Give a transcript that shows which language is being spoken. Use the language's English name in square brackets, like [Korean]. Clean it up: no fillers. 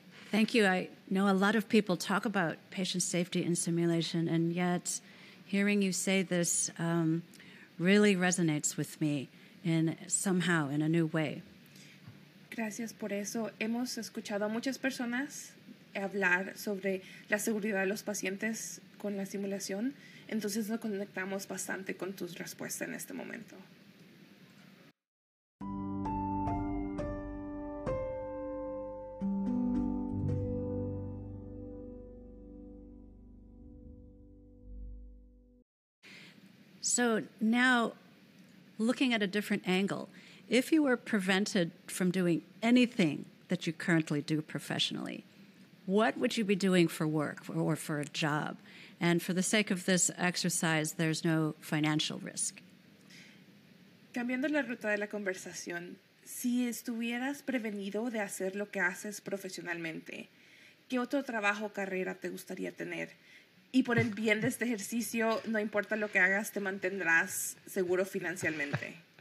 [English] Thank you. I know a lot of people talk about patient safety in simulation, and yet hearing you say this really resonates with me in a new way. [Spanish] Gracias por eso. Hemos escuchado a muchas personas hablar sobre la seguridad de los pacientes con la simulación. Entonces nos conectamos bastante con tus respuestas en este momento. [English] So now, looking at a different angle, if you were prevented from doing anything that you currently do professionally, what would you be doing for work or for a job? And for the sake of this exercise, there's no financial risk. [Spanish] Cambiando la ruta de la conversación, si estuvieras prevenido de hacer lo que haces profesionalmente, ¿qué otro trabajo o carrera te gustaría tener? Y por el bien de este ejercicio, no importa lo que hagas, te mantendrás seguro financieramente.